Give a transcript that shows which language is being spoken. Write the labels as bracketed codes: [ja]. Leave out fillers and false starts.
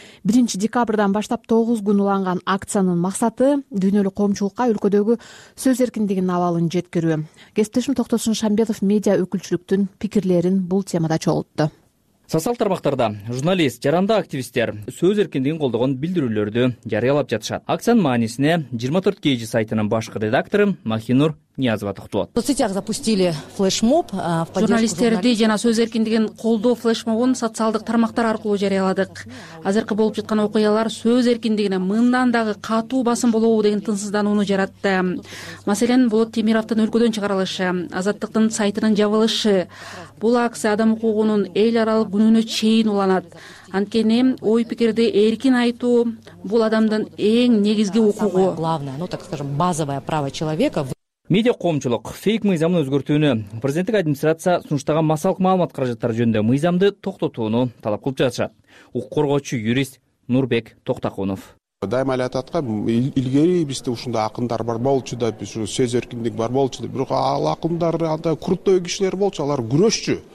[ky] 1 декабрдан баштап 9 күн уланган акциянын максаты дүйнөлүк коомчулукка өлкөдөгү сөз эркиндигинин абалын жеткирүү. Кесиптешим Токтосун Шамбетов медиа өкүлчүлүктүн пикирлерин бул темада чогултту. Социал тармактарда журналист, жарандык активисттер сөз эркиндигин колдогон билдирүүлөрдү жарыялап жатышат. Акциянын маанисине 24kg сайтынын башкы редактору Махинур Ниязова токтолот. [ru] В соцсетях запустили флешмоб. [ky] Журналисттерди жана сөз эркиндигин колдоо флешмобун социалдык тармактар аркылуу жарыяладык. Азыркы болуп жаткан окуялар сөз эркиндигине мындан дагы катуу басым болобу деген тынсыздануну жаратты. Маселен, Болот Темировдун өлкөдөн чыгарылышы, Азаттыктын сайтынын жабылышы. Бул акция адам укугунун эл аралык күнүнө чейин уланат. Анткени ой пикирди эркин айтуу бул адамдын эң негизги укугу. [ru] Главное, ну так скажем, базовое право человека. [ky] Медиа коомчулук фейк мыйзамын өзгөртүүнү, президенттик администрация сунуштаган массалык маалымат каражаттары жөнүндө мыйзамды токтотууну талап кылып жатышат. Укук коргоочу юрист Нурбек Токтокунов. Дайыма эле айтып аткам, илгери бизде ушундай акындар бар болчу да, сөз эркиндиги бар болчу да, бирок ал акындар андай куруттоо кишилер болчу, алар күрөшчү.